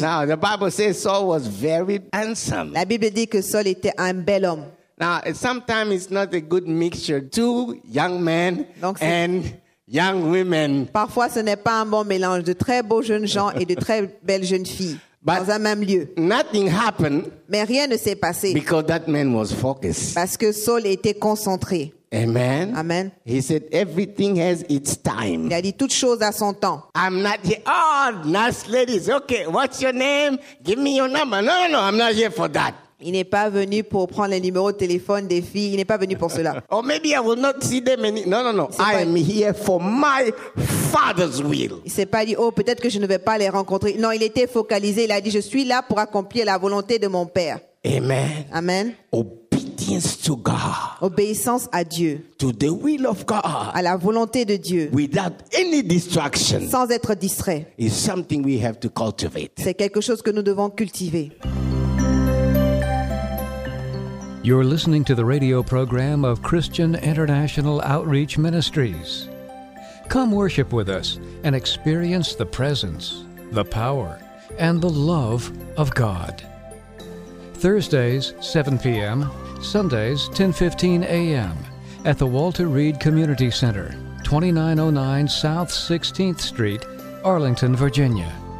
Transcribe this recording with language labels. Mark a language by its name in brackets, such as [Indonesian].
[English] Now the Bible says Saul was very handsome. [French] La Bible dit que Saul était un bel homme. [English] Now sometimes it's not a good mixture. Two young men and young women. [French] Parfois ce n'est pas un bon mélange de très beaux jeunes gens et de très belles jeunes filles. [English] But [French] dans un même lieu. [English] Nothing happened. [French] Mais rien ne s'est passé. [English] Because that man was focused. [French] Parce que Saul était concentré. [English] Amen. [French] Amen. [English] He said everything has its time. [French] Il a dit toute chose a son temps. [English] I'm not here. Oh, nice ladies. Okay, what's your name? Give me your number. No, no, no. I'm not here for that. [French] Il n'est pas venu pour prendre les numéros de téléphone des filles. Il n'est pas venu pour cela. [English] Or maybe I will not see them. Any... No, no, no. I am here for my father's will. [French] Il s'est pas dit, oh, peut-être que je ne vais pas les rencontrer. Non, il était focalisé. Il a dit, je suis là pour accomplir la volonté de mon père. [English] Amen. [French] Amen. [English] Obedience to God. [French] Obéissance à Dieu. [English] To the will of God. [French] À la volonté de Dieu. [English] Without any distraction. [French] Sans être distrait. [English] Is something we have to cultivate. [French] C'est quelque chose que nous devons cultiver. [English] You're listening to the radio program of Christian International Outreach Ministries. Come worship with us and experience the presence, the power, and the love of God. Thursdays, 7 p.m., Sundays, 10:15 a.m., at the Walter Reed Community Center, 2909 South 16th Street, Arlington, Virginia.